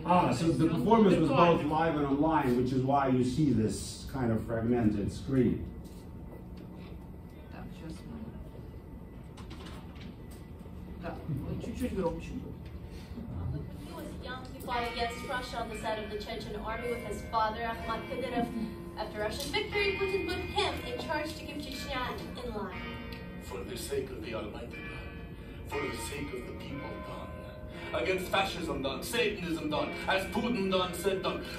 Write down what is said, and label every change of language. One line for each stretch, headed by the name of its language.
English: Ah, so the performance was both live and online, which is why you see this kind of fragmented screen.
Russian: Так, сейчас мы... Да, чуть-чуть громче.
English: He was young. He fought against Russia on the side of the Chechen army with his father, Ahmad Kadyrov. After Russia's victory, Putin put him in charge to keep Chechnya in line. For the sake of the Almighty, for the sake of the people, done. Against fascism, done. Satanism, done. As Putin, done, said, done.